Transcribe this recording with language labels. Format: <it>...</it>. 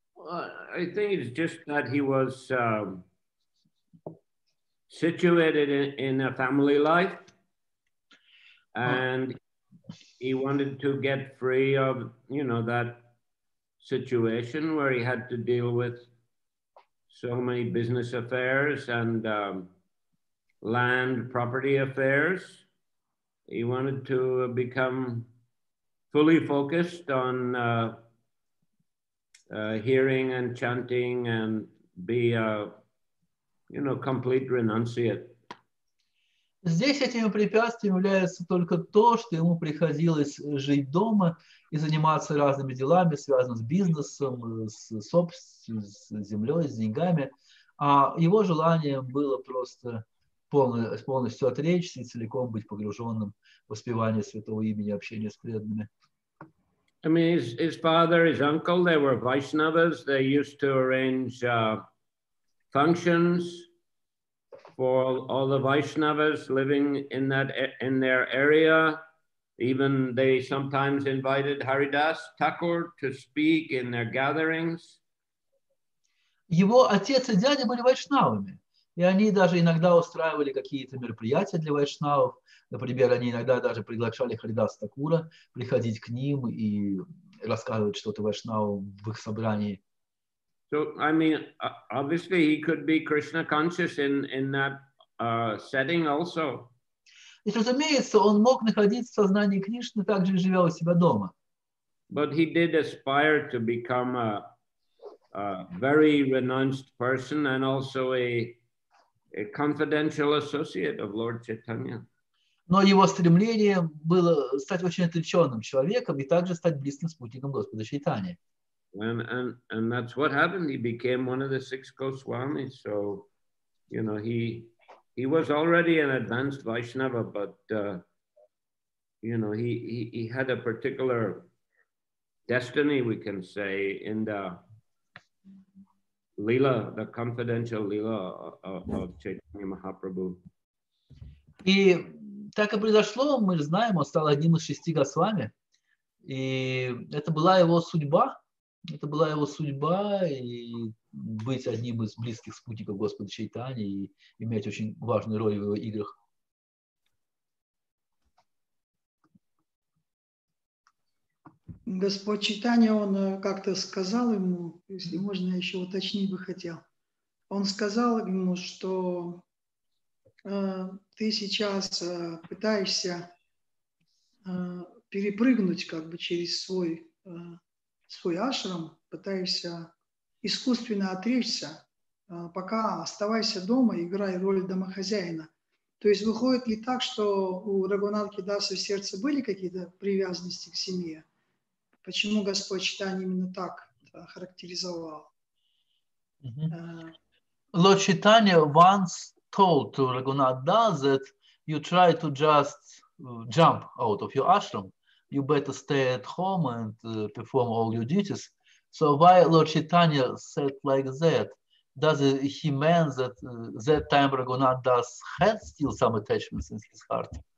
<en>I think it's just that he was situated in a family life, and he wanted to get free of, you know, that situation where he had to deal with so many business affairs and land property affairs. He wanted to become fully focused on hearing and chanting and be a, you know, complete renunciate.</en> <ru>Здесь этим препятствием является только то, что ему приходилось жить дома и заниматься разными делами, связанными с бизнесом, с собственностью, с землей, с деньгами. А его желанием было просто полностью отречься и целиком быть погруженным в воспевание святого имени, общение с преданными.</ru> <en>I mean, his father, his uncle, they were Vaishnavas. They used to arrange functions for all the Vaishnavas living in that in their area. Even they sometimes invited Haridas Thakur to speak in their gatherings.</en> <ru>Его отец и дядя были вайшнавами, и они даже иногда устраивали какие-то мероприятия для вайшнавов. Например, они иногда даже приглашали Харидаса Такура приходить к ним и рассказывать что-то вайшнавам в их собрании.</ru> <en>So, I mean, obviously he could be Krishna conscious in that setting also.</en> <ru>И, разумеется, он мог находиться в сознании Кришны, также живя у себя дома.</ru> <en>But he did aspire to become a very renounced person and also a confidential associate of Lord Chaitanya.</en> <ru>Но его стремление было стать очень отвлеченным человеком и также стать близким спутником Господа Чайтаньи.</ru> <en>And that's what happened. He became one of the six Goswamis. So, you know, he was already an advanced Vaishnava, but, you know, he had a particular destiny, we can say, in the Lila, the confidential Lila of Chaitanya Mahaprabhu.</en> <ru>И так и произошло, мы знаем, он стал одним из шести Госвами. И это была его судьба. Это была его судьба и быть одним из близких спутников Господа Чайтаньи и иметь очень важную роль в его играх. Господь Чайтанья, он как-то сказал ему, если можно, я еще уточнить бы хотел. Он сказал ему, что ты сейчас пытаешься перепрыгнуть как бы через свой ашрам, пытаешься искусственно отречься, пока оставайся дома, играй роль домохозяина. То есть выходит ли так, что у Рагунатхи Даса в сердце были какие-то привязанности к семье? Почему Господь Чайтанья именно так характеризовал?</ru> <en>Lord Chaitanya once told to Raghunath Das that you try to just jump out of your ashram. You better stay at home and perform all your duties. So why Lord Chaitanya said like that? Does he mean that that time Raghunath Das had still some attachments in his heart?</en>